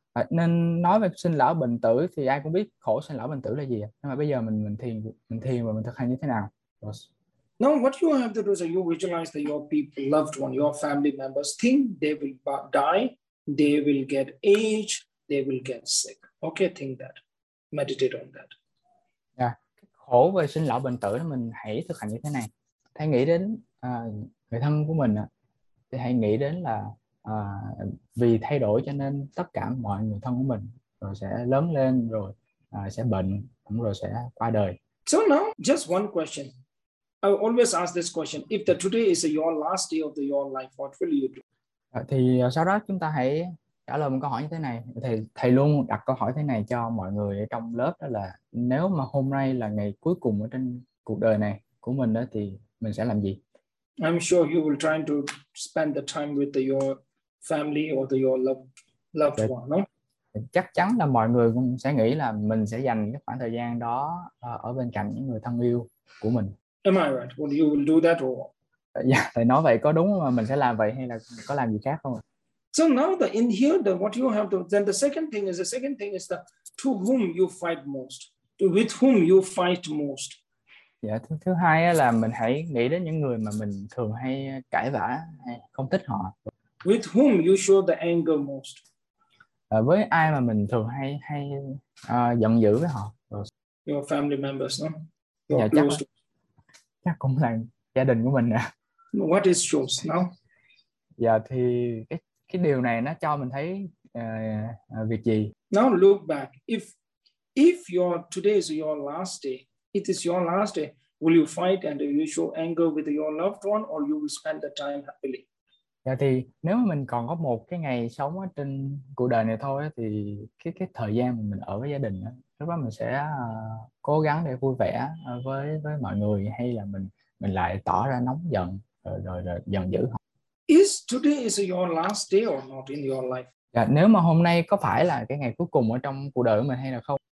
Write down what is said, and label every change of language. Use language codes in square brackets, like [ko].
[vi] Nên nói về sinh lão bệnh tử thì ai cũng biết khổ sinh lão bệnh tử là gì, nhưng mà bây giờ mình thiền và mình thực hành như thế nào? [en] Now, what you have to do is that you visualize that your people, loved one, your family members think they will die, they will get age, they will get sick. Okay, think that. Meditate on that. [vi] Khổ về sinh lão bệnh tử đó, mình hãy thực hành như thế này. Hãy nghĩ đến người thân của mình, thì hãy nghĩ đến là vì thay đổi cho nên tất cả mọi người thân của mình rồi sẽ lớn lên, rồi sẽ bệnh, cũng rồi sẽ qua đời. [en] So now, just one question. I always ask this question. If the today is your last day of your life, what will you do? [vi] Thì sau đó chúng ta hãy trả lời một câu hỏi như thế này. Thầy luôn đặt câu hỏi thế này cho mọi người ở trong lớp, đó là nếu mà hôm nay là ngày cuối cùng ở trên cuộc đời này của mình đó, thì mình sẽ làm gì? [en] I'm sure you will try to spend the time with your family or your loved one, no? [vi] Chắc chắn là mọi người cũng sẽ nghĩ là mình sẽ dành cái khoảng thời gian đó ở bên cạnh những người thân yêu của mình. [en] Am I right? Well, you will do that or? [vi] Yeah, thầy nói vậy có đúng mà mình sẽ làm vậy hay là có làm gì khác không? [en] So now the in here the what you have to then the second thing is the to whom you fight most, to with whom you fight most. [vi] Yeah, thứ hai là mình hãy nghĩ đến những người mà mình thường hay cãi vã, hay không thích họ. [en] With whom you show the anger most. [vi] Với ai mà mình thường hay giận dữ với họ? [en] Your family members, no? [vi] Yeah, chắc cũng là gia đình của mình nè. [en] What is yours now? [vi] Dạ thì cái điều này nó cho mình thấy việc gì? [en] Now look back. If your today is your last day, it is your last day, will you fight and you show anger with your loved one or you will spend the time happily? [vi] Dạ thì nếu mà mình còn có một cái ngày sống ở trên cuộc đời này thôi, thì cái thời gian mình ở với gia đình đó, lúc đó mình sẽ cố gắng để vui vẻ với mọi người, hay là mình lại tỏ ra nóng giận rồi giận dữ không? [en] Is today is your last day or not in your life? [vi] Yeah, nếu mà hôm nay có phải là cái ngày cuối cùng ở trong cuộc đời của mình hay là không?